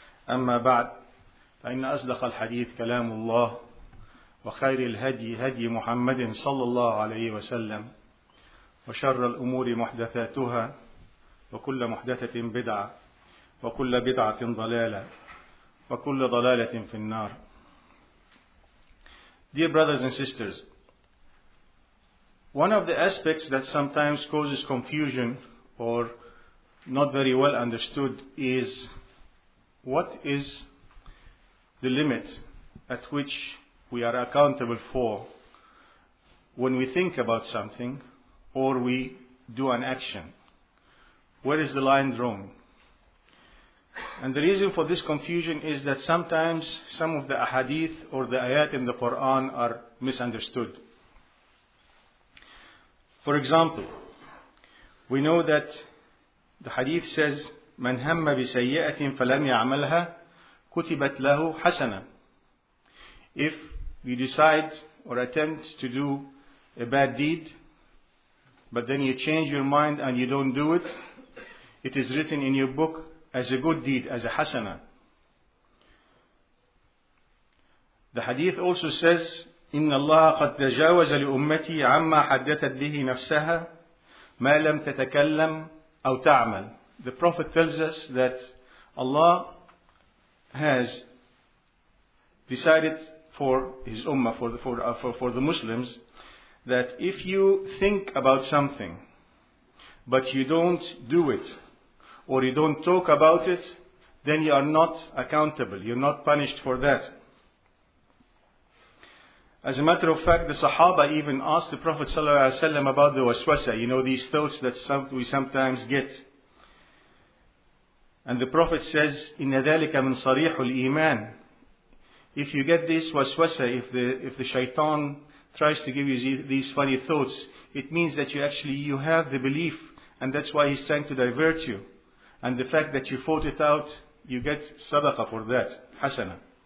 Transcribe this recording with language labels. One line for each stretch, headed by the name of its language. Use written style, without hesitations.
Arabic: أما بعد، فإن أصدق الحديث كلام الله وخير الهدي هدي محمد صلى الله عليه وسلم وشر الأمور محدثاتها وكل محدثة بدعة وكل بدعة ضلالة وكل ضلالة في النار.
English: Dear brothers and sisters, one of the aspects that sometimes causes confusion or not very well understood is what is the limit at which we are accountable for when we think about something or we do an action. Where is the line drawn? And the reason for this confusion is that sometimes some of the ahadith or the ayat in the Quran are misunderstood. For example, we know that the hadith says,
Arabic: "من هم بسيئة فلم يعملها كتبت له حسنة."
English: If you decide or attempt to do a bad deed, but then you change your mind and you don't do it, it is written in your book as a good deed, as a حسنة. The hadith also says,
Arabic: "إن الله قد تجاوز لأمتي عما حدثت به نفسها ما لم تتكلم." أو تعمل.
English: The Prophet tells us that Allah has decided for His Ummah, for the Muslims, that if you think about something, but you don't do it, or you don't talk about it, then you are not accountable. You're not punished for that. As a matter of fact, the Sahaba even asked the Prophet ﷺ about the waswasa, you know, these thoughts that we sometimes get. And the Prophet says,
Arabic: إِنَّ ذَلِكَ مِنْ صَرِيحُ الْإِيمَانِ.
English: If you get this waswasa, if the shaitan tries to give you these funny thoughts, it means that you have the belief, and that's why he's trying to divert you. And the fact that you fought it out, you get sadaqa for that, hasana.